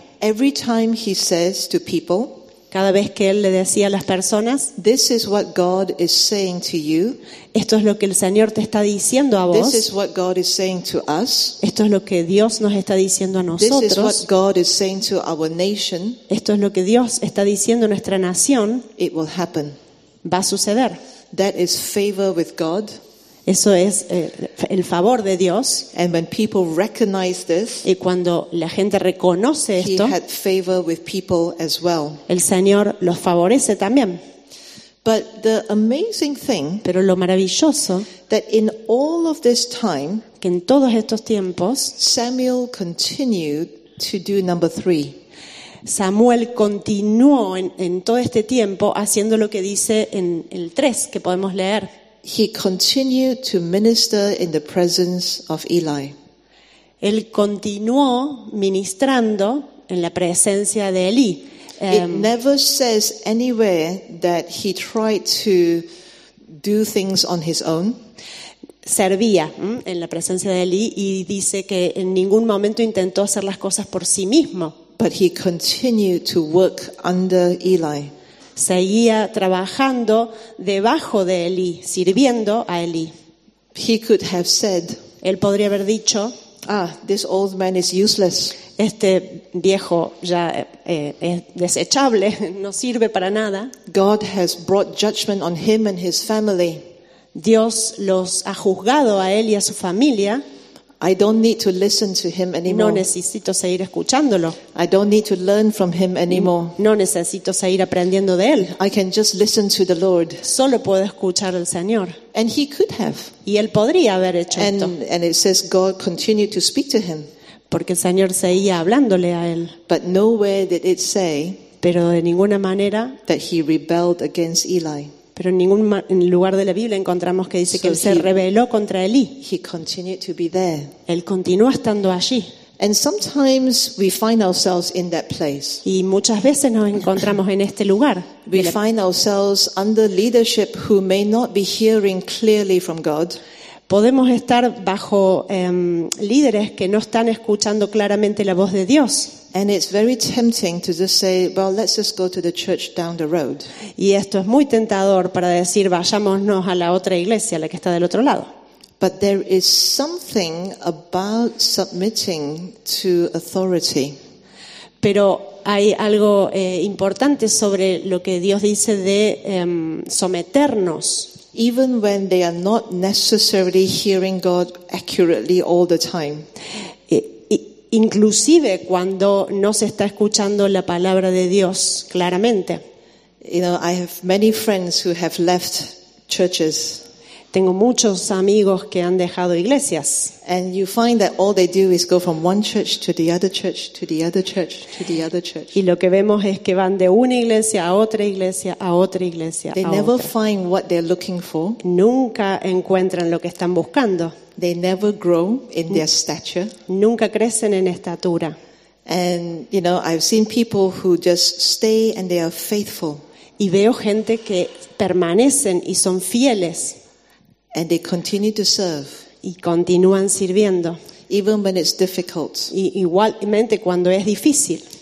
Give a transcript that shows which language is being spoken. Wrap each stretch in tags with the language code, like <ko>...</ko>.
<en>Every time he says to people,</en> <es>cada vez que él le decía a las personas,</es> <en>this is what God is saying to you,</en> <es>esto es lo que el Señor te está diciendo a vos,</es> <en>this is what God is saying to us,</en> <es>esto es lo que Dios nos está diciendo a nosotros,</es> <en>this is what God is saying to our nation,</en> <es>esto es lo que Dios está diciendo a nuestra nación,</es> <en>it will happen.</en> <es>Va a suceder.</es> <en>That is favor with God.</en> <es>Eso es el favor de Dios.</es> <en>And when people recognize this,</en> <es>y cuando la gente reconoce esto,</es> <en>he had favor with people as well.</en> <es>El Señor los favorece también.</es> <en>But the amazing thing,</en> <es>pero lo maravilloso,</es> <en>that in all of this time,</en> <es>que en todos estos tiempos,</es> <en>Samuel continued to do number three.</en> <es>Samuel continuó en todo este tiempo haciendo lo que dice en el 3 que podemos leer.</es> <en>He continued to minister in the presence of Eli.</en> <es>Él continuó ministrando en la presencia de Eli.</es> <en>It never says anywhere that he tried to do things on his own.</en> <es>Servía en la presencia de Eli y dice que en ningún momento intentó hacer las cosas por sí mismo.</es> <en>But he continued to work under Eli.</en> <es>Seguía trabajando debajo de Eli, sirviendo a Eli.</es> <en>He could have said,</en> <es>él podría haber dicho,</es> <en>ah, this old man is useless.</en> <es>Este viejo ya es desechable, no sirve para nada.</es> <en>God has brought judgment on him and his family.</en> <es>Dios los ha juzgado a él y a su familia.</es> <en>I don't need to listen to him anymore.</en> <es>No necesito seguir escuchándolo.</es> <en>I don't need to learn from him anymore.</en> <es>No necesito seguir aprendiendo de él.</es> <en>I can just listen to the Lord.</en> <es>Solo puedo escuchar al Señor.</es> <en>And he could have.</en> <es>Y él podría haber hecho esto.</es> <en>And it says God continued to speak to him.</en> <es>Porque el Señor seguía hablándole a él.</es> <en>But nowhere did it say,</en> <es>pero de ninguna manera,</es> <en>that he rebelled against Eli.</en> <es>Pero en ningún lugar de la Biblia encontramos que dice que él se rebeló contra Elí.</es> <en>He continued to be there.</en> <es>Él continuó estando allí.</es> <en>And sometimes we find ourselves in that place.</en> <es>Y muchas veces nos encontramos en este lugar.</es> <en>We find ourselves under leadership who may not be hearing clearly from God.</en> <es>Podemos estar bajo líderes que no están escuchando claramente la voz de Dios.</es> <en>And it's very tempting to just say, well, let's just go to the church down the road.</en> <es>Y esto es muy tentador para decir, vayámonos a la otra iglesia, la que está del otro lado.</es> <en>But there is something about submitting to authority.</en> <es>Pero hay algo importante sobre lo que Dios dice de someternos.</es> <en>Even when they are not necessarily hearing God accurately all the time.</en> <es>Inclusive cuando no se está escuchando la palabra de Dios claramente.</es> <en>You know, I have many friends who have left churches.</en> <es>Tengo muchos amigos que han dejado iglesias.</es> <en>And you find that all they do is go from one church to the other church to the other church to the other church.</en> <es>Y lo que vemos es que van de una iglesia a otra iglesia a otra iglesia.</es> <en>They never find what they're looking for.</en> <es>Nunca encuentran lo que están buscando.</es> <en>They never grow in their stature.</en> <es>Nunca crecen en estatura.</es> <en>And you know, I've seen people who just stay and they are faithful.</en> <es>Y veo gente que permanecen y son fieles.</es> <en>And they continue to serve.</en> <es>Y continúan sirviendo.</es> <en>Even when it's difficult.</en> <es>Y igualmente cuando es difícil.</es>